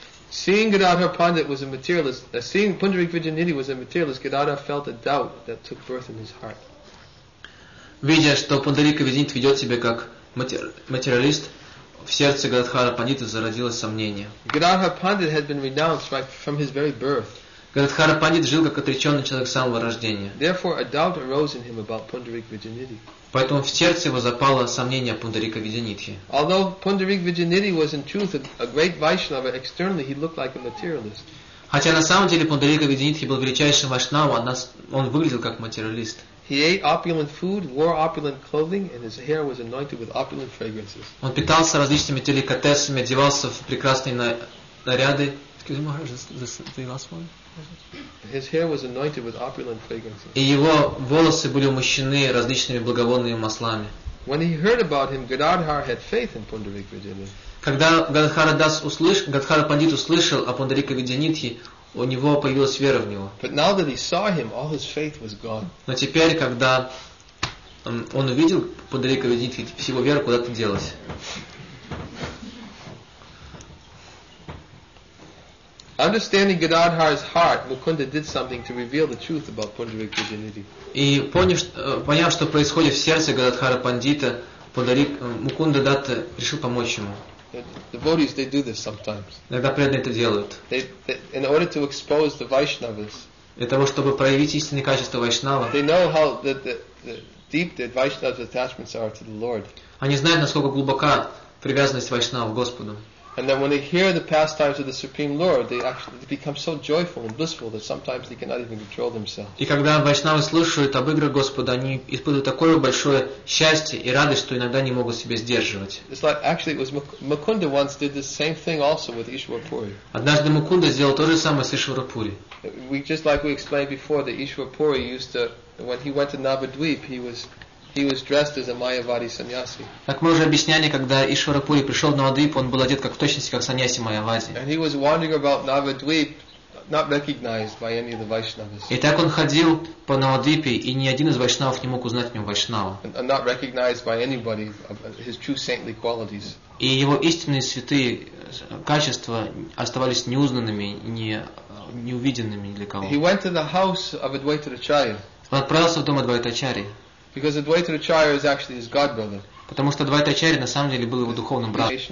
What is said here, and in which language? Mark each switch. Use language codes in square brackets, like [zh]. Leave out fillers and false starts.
[en] Seeing Gadadhar Pandit was a materialist, seeing Pundarik Vijayanidhi was a materialist, Gadadhar felt a doubt that took birth in his heart. [ru] Видя, что Пундарик Вижнити ведет себя как материалист, в сердце Гадхара Пандита зародилось сомнение. [en] Gadadhar Pandit had been renounced right from his very birth. [ru] Гадхара Пандит жил как отреченный человек с самого рождения. [en] Therefore, a doubt arose in him about Pundarik Vijayanidhi. [ru] Поэтому в сердце его запало сомнение о Пундарике Виджанитхе. [en] Although Pundarik Vijayanidhi was in truth a great Vaishnava, externally he looked like a materialist. [ru] Хотя на самом деле Пундарика Виджанитхе был величайшим вайшнава, он выглядел как материалист. [en] He ate opulent food, wore opulent clothing, and his hair was anointed with opulent fragrances. [ru] Он питался различными деликатесами, одевался в прекрасные наряды. [en] Excuse me, is this the last one? His hair was anointed with opulent fragrances. [ru] И его волосы были умощены различными благовонными маслами. [en] When he heard about him, Gadadhar had faith in Pundarik Vijayanidhi. [ru] Когда Гадхара Пандит услышал о Пундарике Виджанитхе, у него появилась вера в него. [en] But now that he saw him, all his faith was gone. [ru] Но теперь, когда он увидел Пундарика Виджанитхе, вся его вера куда-то делась. [en] Understanding Gadadhar's heart, Mukunda did something to reveal the truth about Pundarik Vijayanidhi. [ru] И поняв, что происходит в сердце Гадхара Пандита, Мукунда Датта решил помочь ему. [en] The devotees, they do this sometimes. [ru] Иногда преданные это делают. [en] In order to expose the Vaishnavas. [ru] Для того, чтобы проявить истинные качества Вайшнава. [en] They know how the deep the Vaishnava's attachments are to the Lord. [ru] Они знают, насколько глубока привязанность Вайшнава к Господу. [en] And then when they hear the pastimes of the Supreme Lord, they become so joyful and blissful that sometimes they cannot even control themselves. [ru] И когда вайшнавы слушают об играх Господа, они испытывают такое большое счастье и радость, что иногда не могут себя сдерживать. [en] It's like actually it was Mukunda once did the same thing also with Ishwarpuri. [ru] Однажды Мукунда сделал то же самое с Ишварапури. [en] We just like we explained before that Ishwarpuri used to when he went to Navadvip, he was dressed as a Mayavadi sannyasi. [ru] Как мы уже объясняли, когда Ишварапури пришел в Навадвип, он был одет как в точности как саньяси Майявади. [en] And he was wandering about Navadvip, not recognized by any of the Vaishnavas. [ru] И так он ходил по Навадвипе, и ни один из вайшнавов не мог узнать в нем вайшнава. [en] And not recognized by anybody of his true saintly qualities. [ru] И его истинные святые качества оставались неузнанными, неувиденными для кого. [en] He went to the house of Advaita Acharya. [ru] Он отправился в дом Адвайта Ачарьи. [en] Because Advaita Acharya is actually his god brother. [ru] Потому что Двайта Ачарья на самом деле был его духовным братом.